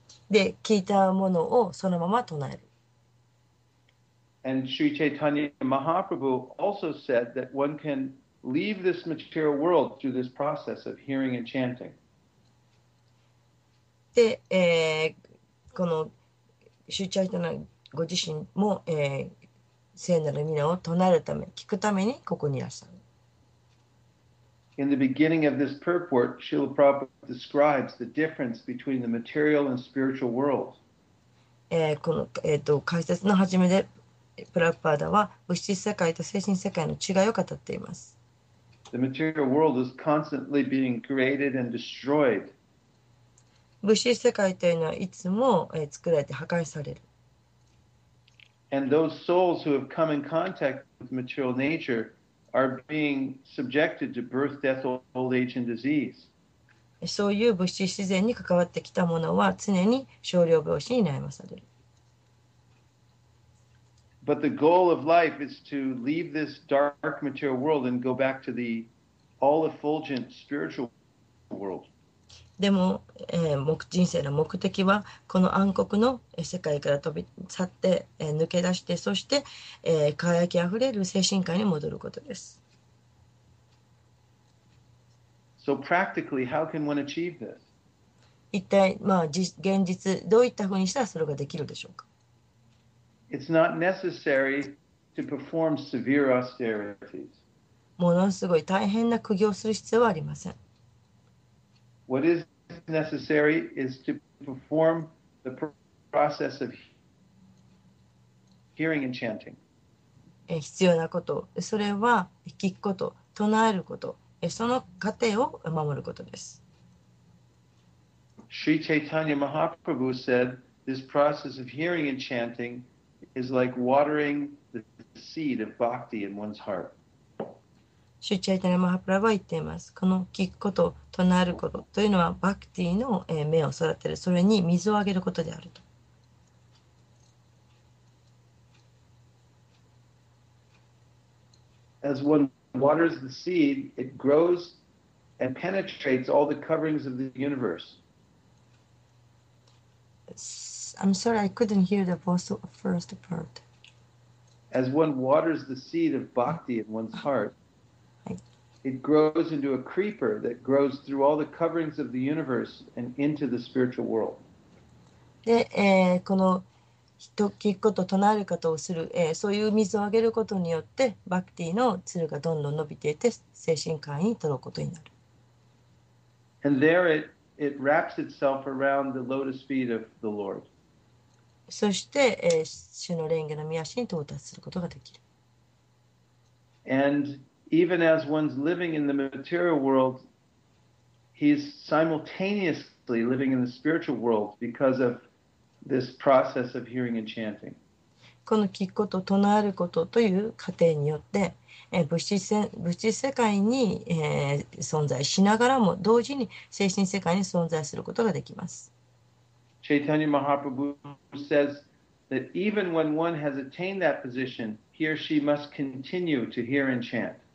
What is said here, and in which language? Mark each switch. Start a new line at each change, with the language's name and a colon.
Japanese: で、聞いたものをそのまま唱える。
English: And Sri Chaitanya Mahaprabhu also said that one can leave this material world through this process of hearing and chanting.
Japanese: で、このシュチャイトナご自身も、聖なる皆を唱えるため、聞くためにここにいらっしゃる。
English: In the beginning of this purport, Srila Prabhupada describes the difference between the material and spiritual world.
Japanese: この、解説の始めで、プラッパーダは物質世界と精神世界の違いを語っています。
English: The material world is constantly being created and destroyed.
Japanese: 物質世界というのはいつも、作られて破壊される。
English: And those souls who have come in contact with material nature are being subjected to birth, death, old age, and disease.
Japanese: そういう物質自然に関わってきたものは常に少量病死に悩まされる。
English: But the goal of life is to leave this dark material world and go back to the all-effulgent spiritual world.
Japanese: でも、人生の目的はこの暗黒の世界から飛び去って、抜け出してそして、輝きあふれる精神界に戻ることです。
English: So practically, how can one achieve this?
Japanese: 一体、まあ、現実どういったふうにしたらそれができるでしょうか。
English: It's not necessary to perform severe austerities.
Japanese: ものすごい大変な苦行をする必要はありません。
English: What is necessary is to perform the process of hearing and chanting.
Japanese: 必要なこと、それは聞くこと、唱えること、その過程を守ることです。
English: Sri Chaitanya Mahaprabhu said this process of hearing and chanting. Is like watering the seed of bhakti in one's heart.
Japanese: シュチャイタナマハプラブは言っています。この聞くこと、唱えることというのはバクティの芽を育てる、それに水をあげることであると。
English: As one waters the seed, it grows and penetrates all the coverings of the universe. I'm sorry, I couldn't hear the first part. As one waters the seed of bhakti in one's heart, it grows into a creeper that grows through all the coverings of the universe and into the spiritual world.
Japanese: で、この人聞くこと、唱えることをする、そういう水をあげることによって、バクティのつるがどんどん伸びていて、精神界に届くことになる。
English: And there it wraps itself around the lotus feet of the Lord.
Japanese: そして、主の蓮華の御足に到達することができる。
English: And even as one's living in the material world, he's simultaneously living in the spiritual world because of this process of hearing and chanting.
Japanese: この聞くこと、唱えることという過程によって、物質世界に、存在しながらも、同時に精神世界に存在することができます。
English: Chaitanya Mahaprabhu says that even when one has attained that position, he or she must continue to hear and chant.